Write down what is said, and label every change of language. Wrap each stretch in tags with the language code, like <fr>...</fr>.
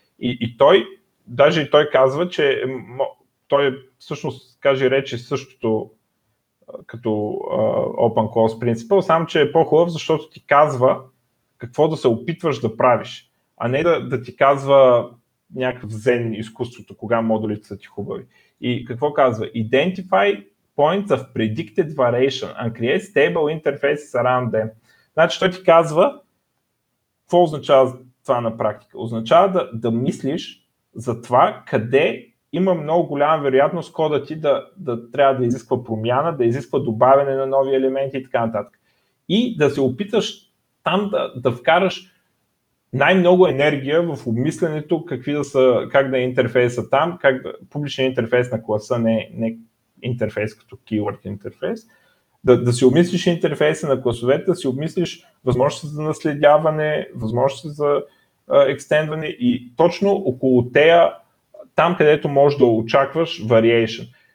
<bg>И той, даже и той казва, че той всъщност каже речи същото като Open Close Principle, само че е по-хубав, защото ти казва какво да се опитваш да правиш, а не да ти казва някакъв зен изкуството, кога модулите са ти хубави. И какво казва?</bg> <en>Identify points of predicted variation and create stable interfaces around them.</en> <bg>Значи той ти казва какво означава това на практика. Означава да мислиш за това къде има много голяма вероятност кода ти да трябва да изисква промяна, да изисква добавяне на нови елементи и така нататък. И да се опиташ там да вкараш най-много енергия в обмисленето какви да са, как да е интерфейса там, как да, публичният интерфейс на класа не интерфейс като keyword интерфейс, да си обмислиш интерфейса на класовете, да си обмислиш възможности за наследяване, възможности за екстендване и точно около тея, там където можеш да очакваш variation.</bg>